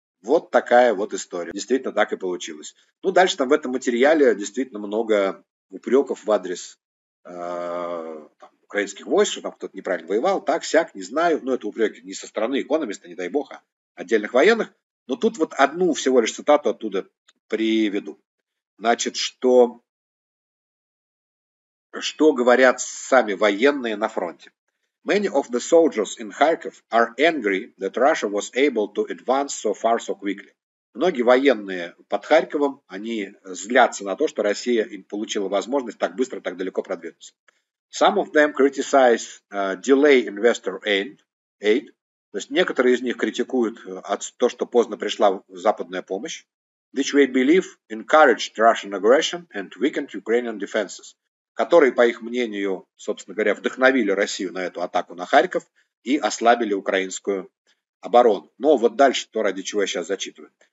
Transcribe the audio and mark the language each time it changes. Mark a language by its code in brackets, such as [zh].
[ru] Вот такая вот история. Действительно, так и получилось. Ну, дальше там в этом материале действительно много упреков в адрес там, украинских войск, что там кто-то неправильно воевал, так, сяк, не знаю. Ну, это упреки не со стороны экономиста, не дай бог, а отдельных военных. Но тут вот одну всего лишь цитату оттуда приведу. Значит, что говорят сами военные на фронте. [en] Many of the soldiers in Kharkiv are angry that Russia was able to advance so far so quickly. [ru] Многие военные под Харьковом, они злятся на то, что Россия получила возможность так быстро, так далеко продвинуться. [en] Some of them criticize delay investor aid. [ru] То есть некоторые из них критикуют то, что поздно пришла западная помощь. [en] Which we believe encouraged Russian aggression and weakened Ukrainian defenses. [ru] Которые, по их мнению, собственно говоря, вдохновили Россию на эту атаку на Харьков и ослабили украинскую оборону. Но вот дальше то, ради чего я сейчас зачитываю.